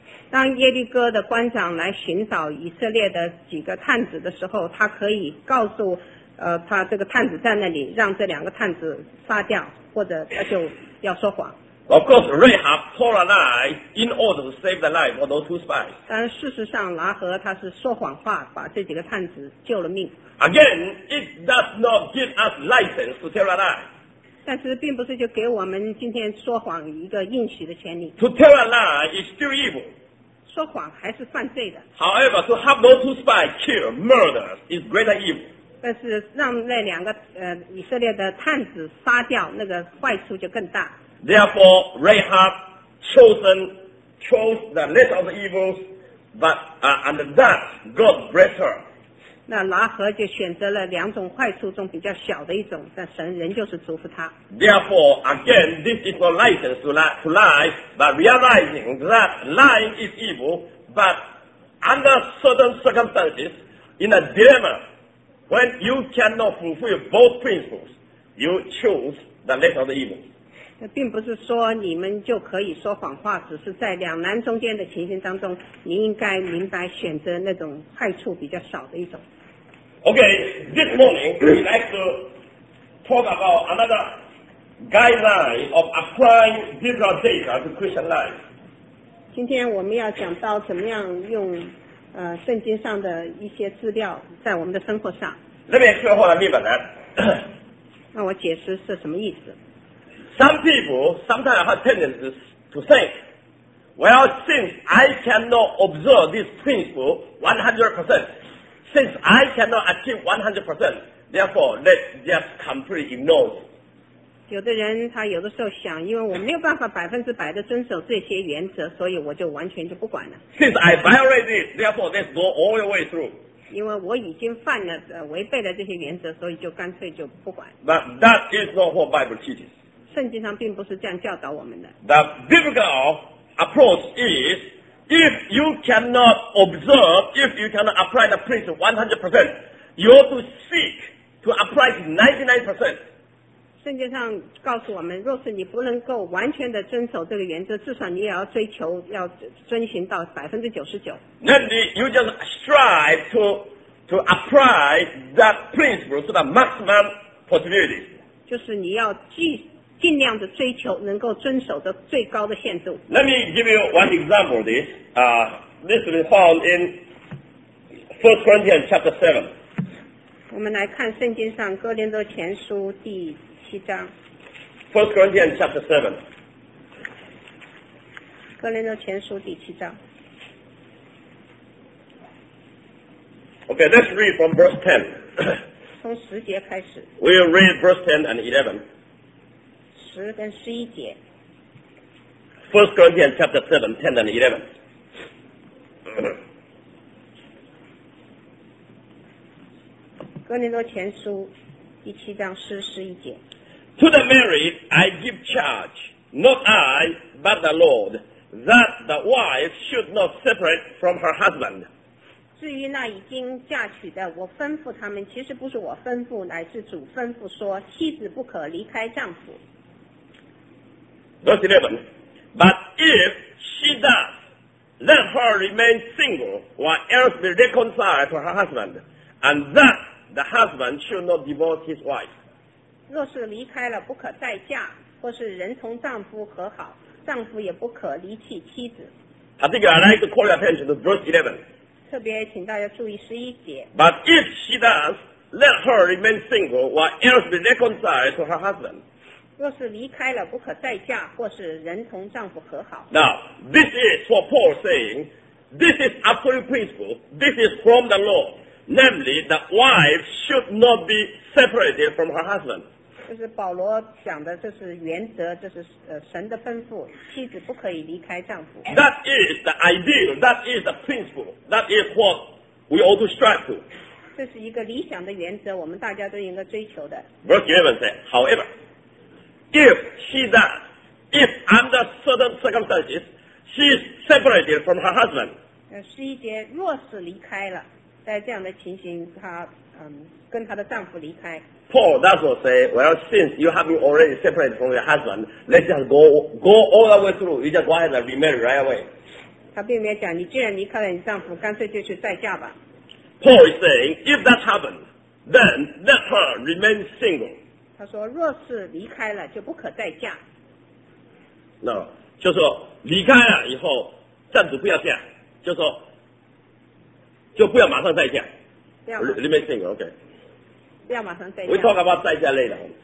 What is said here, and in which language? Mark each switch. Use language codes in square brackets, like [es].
[zh] 当耶利哥的官长来寻找以色列的几个探子的时候，他可以告诉他这个探子在那里，让这两个探子杀掉，或者他就要说谎。 [en] Of course, Rahab told a lie in order to save the life of those two spies. [zh] 但事实上，拿何他是说谎话，把这几个探子救了命。 [en] Again, it does not give us license to tell a lie. [zh] 但是并不是就给我们今天说谎一个应许的权利。 [en] To tell a lie is still evil. [zh] 说谎还是犯罪的。 [en] However, to have those two spies killed, murders, is greater evil. [zh] 但是让那两个以色列的探子杀掉，那个坏处就更大。 [en] Therefore, Rahab chose the lesser of the evils, but and that God blessed her. [zh] 那拿何就选择了两种坏处中比较小的一种，但神仍旧是祝福他。 [en] Therefore, again, this is not license to lie, but realizing that lying is evil, but under certain circumstances, in a dilemma, when you cannot fulfill both principles, you choose the lesser of the evil. [zh] 那并不是说你们就可以说谎话，只是在两难中间的情形当中，你应该明白选择那种害处比较少的一种。 [en] Okay, this morning we like to talk about another guideline of applying biblical data to Christian life. [zh] 今天我们要讲到怎么样用圣经上的一些资料在我们的生活上。 [en] Let me explain what I mean by that. [zh] 那我解释是什么意思。 [en] Some people sometimes have tendencies to think, well, since I cannot observe this principle 100%, since I cannot achieve 100%, therefore, let's just completely ignore it. [zh] 有的人他有的时候想，因为我没有办法100%的遵守这些原则，所以我就完全就不管了。 [en] Since I violate it, therefore, let's go all the way through. [zh] 因为我已经犯了违背了这些原则，所以就干脆就不管。 [en] But that is not what Bible teaches. [zh] 圣经上并不是这样教导我们的。 [en] The biblical approach is, if you cannot observe, if you cannot apply the principle 100%, you ought to seek to apply it 99%. [zh] 圣经上告诉我们，若是你不能够完全的遵守这个原则，至少你也要追求要遵循到99%。 [en] Then you just strive to apply that principle to the maximum possibility. [zh] 就是你要尽量的追求能够遵守的最高的限度。 [en] Let me give you one example of this. This is found in 1 Corinthians chapter 7. [zh] 我们来看圣经上哥林多前书第 [en] First Corinthians chapter 7. [zh] 哥林多前书第七章。 [en] Okay, let's read from verse 10. [zh] 从十节开始。 [en] We'll read verse 10 and 11. [zh] 十跟十一节。 [en] First Corinthians chapter 7, 10 and 11. [zh] (clears throat) 哥林多前书第七章十十一节。 [en] To the married I give charge, not I, but the Lord, that the wife should not separate from her husband. [zh] 至于那已经嫁娶的，我吩咐他们，其实不是我吩咐，乃是主吩咐说，妻子不可离开丈夫。 [en] Verse 11. But if she does, let her remain single, while else be reconciled to her husband, and that the husband should not divorce his wife. [zh] 若是离开了不可再嫁，或是人同丈夫和好，丈夫也不可离弃妻子。 [en] Particularly, I'd like to call your attention to verse 11. [zh] 特别请大家注意十一节。 [en] But if she does, let her remain single, while else be reconciled to her husband. [zh] 若是离开了不可再嫁，或是人同丈夫和好。 [en] Now, this is what Paul is saying. This is absolute principle. This is from the law. Namely, the wife should not be separated from her husband. [zh] 这是保罗讲的，这是原则，这是神的吩咐，妻子不可以离开丈夫。 [en] That is the ideal, that is the principle, that is what we ought to strive to. [zh] 这是一个理想的原则，我们大家都应该追求的。 [en] Verse 11 says, however, if she does, if under certain circumstances, she is separated from her husband. [zh] 十一节，若是离开了，在这样的情形，她跟她的丈夫离开。 [en] Paul does not say, well, since you have been already separated from your husband, let's just go all the way through. You just go ahead and remarry right away. [zh] 他并没有讲，你既然离开了你丈夫，干脆就去再嫁吧。 [en] Paul is saying, if that happened, then let her remain single. [zh] 他说，若是离开了，就不可再嫁。 [en] No, [zh] 就说离开了以后，暂时不要嫁，就说就不要马上再嫁。 [en] Remain single, okay. We talk about [zh] 再嫁 [en] later.